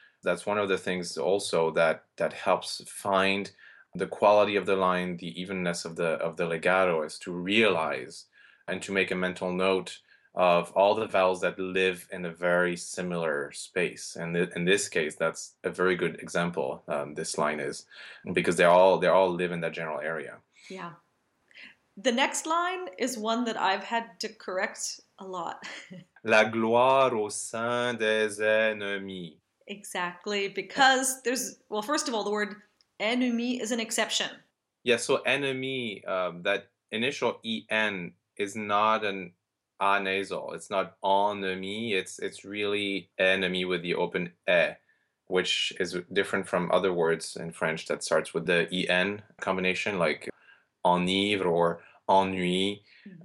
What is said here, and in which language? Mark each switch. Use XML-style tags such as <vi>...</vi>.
<en>That's one of the things also that helps find the quality of the line, the evenness of the legato, is to realize and to make a mental note of all the vowels that live in a very similar space. And in this case, that's a very good example, this line is, because they all live in that general area. Yeah. The next line is one that I've had to correct a lot.</en> <fr>La gloire au sein des ennemis.</fr> <en>Exactly, because there's, well, first of all, the word ennemi is an exception. Yeah, so ennemi, that initial en is not an a nasal. It's not ennemi. It's really ennemi with the open e, which is different from other words in French that starts with the en combination, like enivre or ennui. Mm-hmm.</en>